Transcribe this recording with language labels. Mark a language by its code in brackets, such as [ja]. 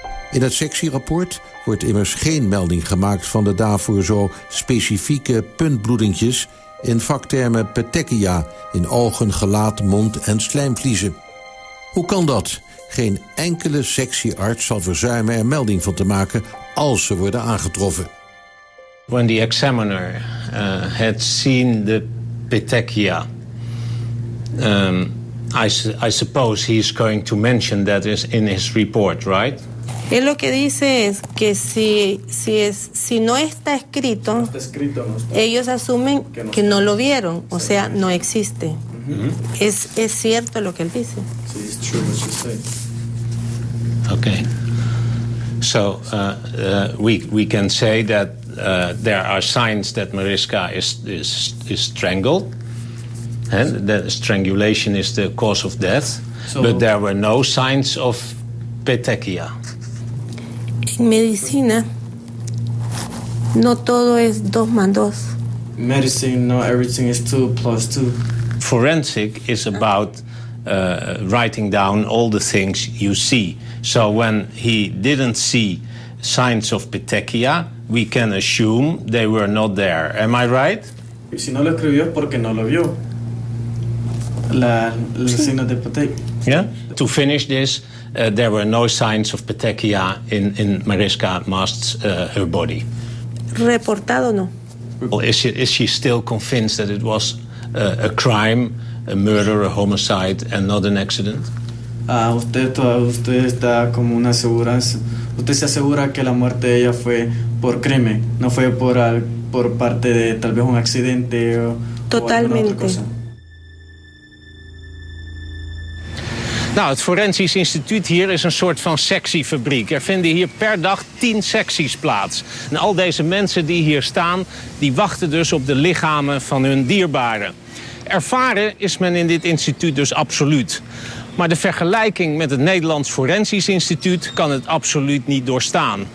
[nl] In het sectierapport wordt immers geen melding gemaakt van de daarvoor zo specifieke puntbloedingjes in vaktermen petechia, in ogen, gelaat, mond en slijmvliezen. Hoe kan dat? Geen enkele sectiearts zal verzuimen er melding van te maken als ze worden aangetroffen. [en] When the examiner had seen the petechia, I suppose he's going to mention that is in his report, right? [es] Él lo que dice es que si no está escrito, ellos asumen que no lo vieron, o sea, no existe. Mm-hmm. Es cierto lo que él dice. [en] Okay. So we can say that there are signs that Mariska is strangled, and that strangulation is the cause of death, but there were no signs of petechia. [es] En medicina, no todo es 2 + 2. [en] Medicine, not everything is 2 + 2. Forensic is about writing down all the things you see. So when he didn't see signs of petechia, we can assume they were not there. Am I right? [es] Si no lo escribió, porque no lo vio. la cena de Patek. [en] Yeah. To finish this, there were no signs of petechia in Mariska Mast's her body. [es] Reportado no. [en] Well, is she still convinced that it was a crime, a murder, a homicide, and not an accident? [es] Usted está como una aseguranza. Usted se asegura que la muerte de ella fue por crimen, no fue por parte de tal vez un accidente o totalmente. Alguna otra cosa. [nl] Nou, het Forensisch Instituut hier is een soort van sexyfabriek. Er vinden hier per dag 10 secties plaats. En al deze mensen die hier staan, die wachten dus op de lichamen van hun dierbaren. Ervaren is men in dit instituut dus absoluut. Maar de vergelijking met het Nederlands Forensisch Instituut kan het absoluut niet doorstaan.